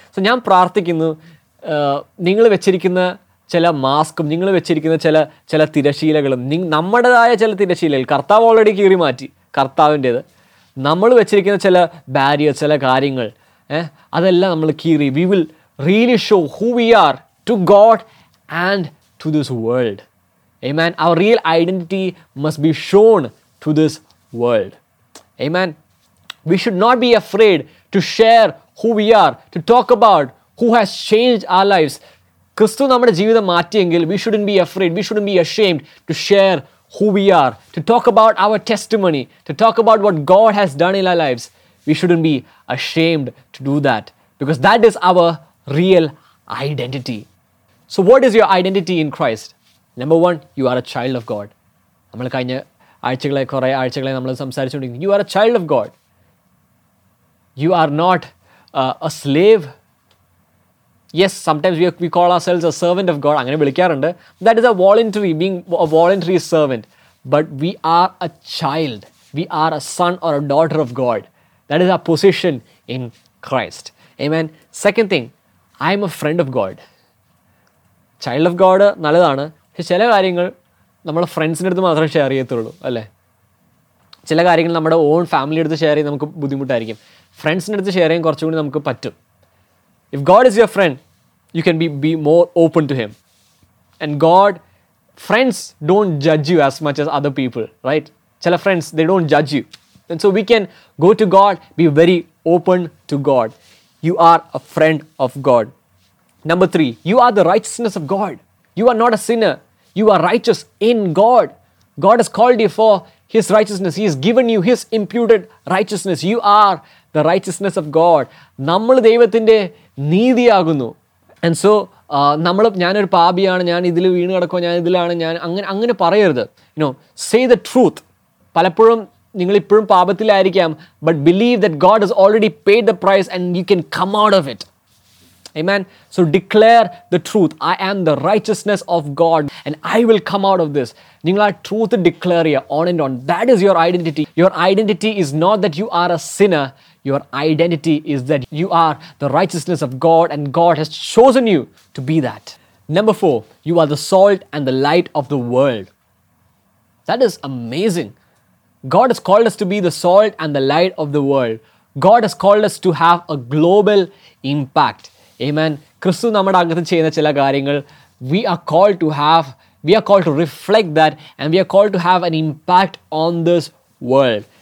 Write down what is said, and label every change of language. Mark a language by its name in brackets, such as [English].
[Malayalam] So njan prarthikkunnu ningal vechirikkunna ചില മാസ്കും നിങ്ങൾ വെച്ചിരിക്കുന്ന ചില തിരശീലകളും, നമ്മുടേതായ ചില തിരശീലകൾ കർത്താവ് ഓൾറെഡി കീറി മാറ്റി, കർത്താവിൻ്റെത്, നമ്മൾ വെച്ചിരിക്കുന്ന ചില ബാരിയേഴ്സ്, ചില കാര്യങ്ങൾ, അതെല്ലാം നമ്മൾ കീറി, [English] We will really show who we are to God and to this world. Amen. Our real identity must be shown to this world. Amen. We should not be afraid to share who we are, to talk about who has changed our lives. [Malayalam] Christu nammude jeevitham maatiyengil, [English] we shouldn't be afraid, we shouldn't be ashamed to share who we are, to talk about our testimony, to talk about what God has done in our lives. We shouldn't be ashamed to do that, because that is our real identity. So what is your identity in Christ? Number one, you are a child of God. [Malayalam] നമ്മൾ കഴിഞ്ഞ ആഴ്ചകളെ കുറെ ആഴ്ചകളെ നമ്മൾ സംസാരിച്ചുകൊണ്ടിരിക്കുന്നു. [English] You are a child of God. You are not a slave. Yes, sometimes we call ourselves a servant of God. [Malayalam] അങ്ങനെ വിളിക്കാറുണ്ട്. [English] That is a voluntary, being a voluntary servant. But we are a child. We are a son or a daughter of God. That is our position in Christ. Amen. Second thing, I am a friend of God. Child of God [Malayalam] നല്ലതാണ്, പക്ഷെ ചില കാര്യങ്ങൾ നമ്മുടെ ഫ്രണ്ട്സിൻ്റെ അടുത്ത് മാത്രമേ share ചെയ്യത്തുള്ളൂ, അല്ലേ? ചില കാര്യങ്ങൾ നമ്മുടെ ഓൺ ഫാമിലിയുടെ അടുത്ത് ഷെയർ ചെയ്യാൻ നമുക്ക് ബുദ്ധിമുട്ടായിരിക്കും. ഫ്രണ്ട്സിൻ്റെ അടുത്ത് ഷെയർ ചെയ്യാൻ കുറച്ചും കൂടി നമുക്ക് പറ്റും. [English] If God is your friend, you can be more open to him. And God friends don't judge you as much as other people, right? ചില friends they don't judge you. And so we can go to God, be very open to God. You are a friend of God. Number three, you are the righteousness of God. You are not a sinner. You are righteous in God. God has called you for His righteousness. He has given you His imputed righteousness. You are the righteousness of God. [Malayalam] നമ്മൾ ദൈവത്തിൻ്റെ നീതിയാകുന്നു. And so, നമ്മൾ ഞാനൊരു പാപിയാണ്, ഞാൻ ഇതിൽ വീണ് കിടക്കോ, ഞാൻ ഇതിലാണ്, ഞാൻ അങ്ങനെ പറയരുത്. [English] You know, say the truth. [Malayalam] പലപ്പോഴും നിങ്ങളിപ്പോഴും പാപത്തിലായിരിക്കാം, [English] But believe that God has already paid the price and you can come out of it. Amen. So declare the truth, I am the righteousness of God and I will come out of this. [Malayalam] നിങ്ങൾ ആ truth declare ചെയ്യുക [English] On and on. That is your identity. Your identity is not that you are a sinner. Your identity is that you are the righteousness of God and God has chosen you to be that. Number four, you are the salt and the light of the world. That is amazing. God has called us to be the salt and the light of the world. God has called us to have a global impact. Amen. [Malayalam] Christu nammada agathu cheyna chila karyangal, [English] we are called to have We are called to reflect that, and we are called to have an impact on this world.